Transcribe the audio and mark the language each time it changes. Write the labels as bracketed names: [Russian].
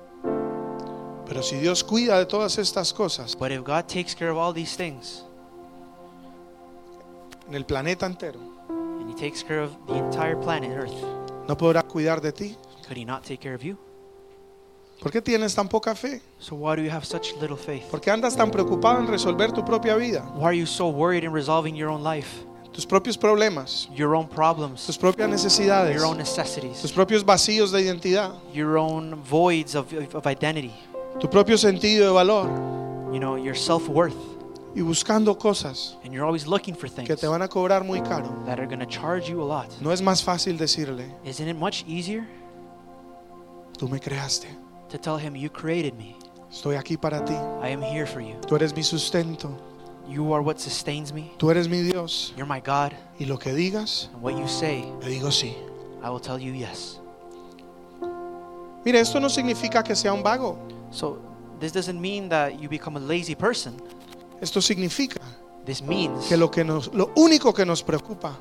[Spanish] Pero si Dios cuida de todas estas cosas. [English] But if God takes care of all these things. [Spanish] En el planeta entero. [English] And he takes care of the entire planet Earth. [Spanish] No podrá cuidar de ti. [English] Could he not take care of you? [Spanish] ¿Por qué tienes tan poca fe? [English] So why do you have such little faith? [Spanish] ¿Por qué andas tan preocupado en resolver tu propia vida? [English] Why are you so worried in resolving your own life? [Spanish] Tus propios problemas, [English] your own problems, [Spanish] tus propias necesidades, [English] your own necessities, [Spanish] tus propios vacíos de identidad, [English] your own voids of identity, [Spanish] tu propio sentido de valor, [English] you know, your self-worth, [Spanish] y buscando cosas, [English] and you're always looking for things [Spanish] que te van a cobrar muy caro, [English] that are going to charge you a lot. [Spanish] No es más fácil decirle, [English] isn't it much easier? [Spanish] Tú me creaste. [English] To tell him, you created me. [Spanish] Estoy aquí para ti. [English] I am here for you. [Spanish] Tú eres mi sustento. [English] You are what sustains me. [Spanish] Tú eres mi Dios. [English] You're my God. [Spanish] Y lo que digas, [English] and what you say, [Spanish] le digo sí. [English] I will tell you yes. [Spanish] Mire, esto no significa que sea un vago. [English] So this doesn't mean that you become a lazy person. [Spanish] Esto significa [English] This means [Spanish] que lo que nos, lo único que nos preocupa,